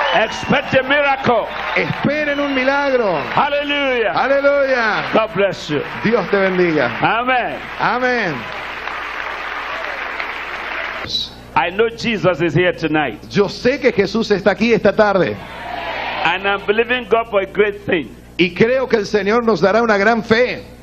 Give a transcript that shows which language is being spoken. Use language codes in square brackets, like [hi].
[en] Expect a miracle. [es] Esperen un milagro. [en] Hallelujah. Hallelujah. God bless you. [es] Dios te bendiga. [en] Amen. Amen. I know Jesus is here tonight. [es] Yo sé que Jesús está aquí esta tarde. [en] And I'm believing God for a great thing. [es] Y creo que el Señor nos dará una gran fe.